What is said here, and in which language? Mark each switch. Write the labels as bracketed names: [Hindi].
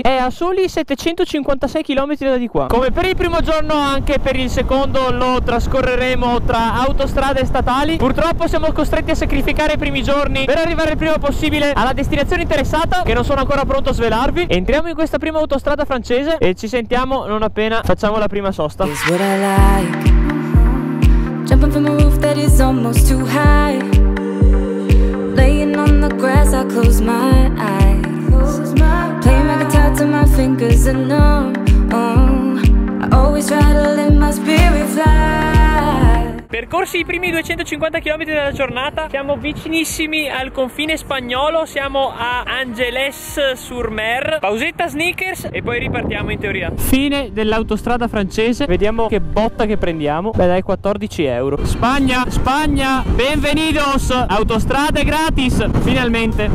[Italian] È a soli 756 km da di qua. Come per il primo giorno, anche per il secondo lo trascorreremo tra autostrade statali. Purtroppo siamo costretti a sacrificare i primi giorni per arrivare il prima possibile alla destinazione interessata, che non sono ancora pronto a svelarvi. Entriamo in questa prima autostrada francese e ci sentiamo non appena facciamo la prima sosta. [English] It's what I like. Jumping from a roof that is almost too high. Laying on the grass, I close my eyes. Playing my guitar to my fingers and numb. I always try to let my spirit fly. [Italian] Percorsi i primi 250 km della giornata, siamo vicinissimi al confine spagnolo, siamo a Angeles-sur-Mer. Pausetta sneakers e poi ripartiamo in teoria. Fine dell'autostrada francese, vediamo che botta che prendiamo. Beh dai, 14 euro. Spagna, Spagna, benvenidos, autostrade gratis, finalmente.